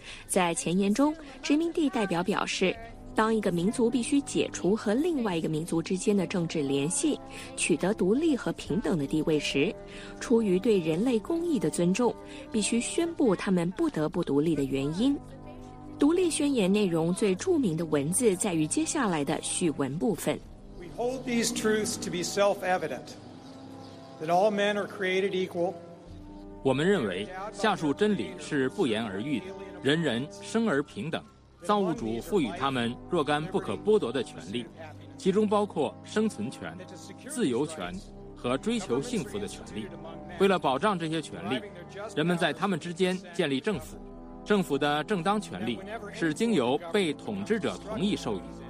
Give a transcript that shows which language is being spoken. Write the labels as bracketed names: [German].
[Chinese] 在前言中，殖民地代表表示，当一个民族必须解除和另外一个民族之间的政治联系，取得独立和平等的地位时，出于对人类公义的尊重，必须宣布他们不得不独立的原因。独立宣言内容最著名的文字在于接下来的序文部分。 [English] We hold these truths to be self-evident, that all men are created equal. [Chinese] 我们认为下述真理是不言而喻的，人人生而平等，造物主赋予他们若干不可剥夺的权利，其中包括生存权、自由权和追求幸福的权利。为了保障这些权利，人们在他们之间建立政府，政府的正当权利是经由被统治者同意授予。